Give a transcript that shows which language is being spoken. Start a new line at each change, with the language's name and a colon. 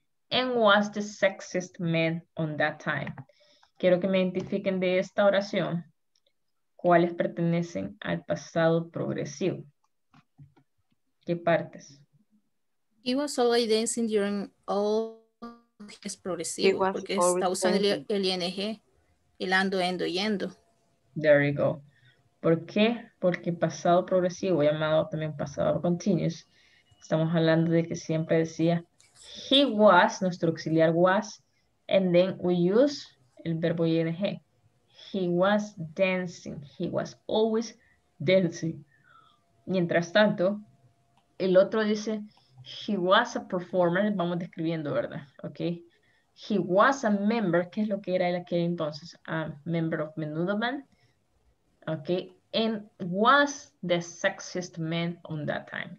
English: And was the sexiest man on that time.
Spanish: Quiero que me identifiquen de esta oración cuáles pertenecen al pasado progresivo. ¿Qué partes?
English: He was always dancing during all his progressive.
Spanish: Porque está usando el ING, el ando, endo, yendo.
English: There you go.
Spanish: ¿Por qué? Porque pasado progresivo, llamado también pasado continuous, estamos hablando de que siempre decía he was, nuestro auxiliar was,
English: and then we use
Spanish: el verbo ING.
English: He was dancing. He was always dancing.
Spanish: Mientras tanto, el otro dice,
English: he was a performer.
Spanish: Vamos describiendo, ¿verdad? Okay.
English: He was a member.
Spanish: ¿Qué es lo que era él aquel entonces?
English: A member of Menudo Band. Okay. And was the sexiest man on that time.